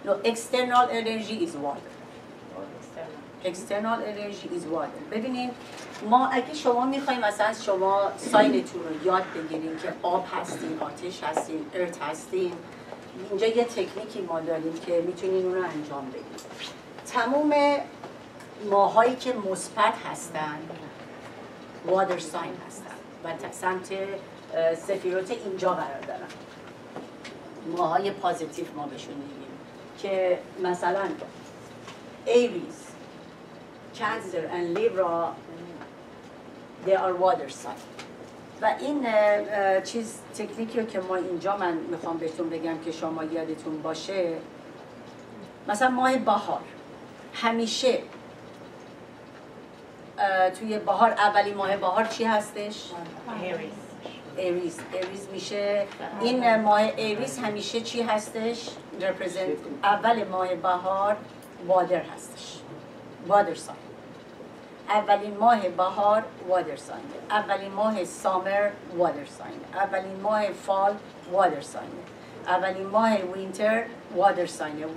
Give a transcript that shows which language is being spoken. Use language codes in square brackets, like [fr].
[en] No, external energy is water. External energy is water. [fa] ببینید ما اگه شما میخواییم مثلا از شما ساینتون رو یاد بگیریم که آب هستیم، آتش هستیم، ارت هستیم، اینجا یه تکنیکی ما داریم که میتونین اون رو انجام بدیم. تموم ماهایی که مثبت هستن water sign هستن و سمت سفیروت اینجا قرار دارن. ماهای پازیتیف ما بهشون میگیم که مثلا [en] Aries Cancer and Libra, they are water sign. [fa] و این چیز تکنیکی رو که ما اینجا من میخوام بهتون بگم که شما یادتون باشه، مثلا ماه بهار همیشه توی بهار اولی ماه بهار چی هستش؟ [en] Aries. [fa] Aries میشه این ماه Aries همیشه چی هستش؟ represent اول ماه بهار water هستش، water sign. اولین ماه بهار water sign، اولین ماه summer water sign، اولین ماه fall water sign، اولین ماه winter water sign.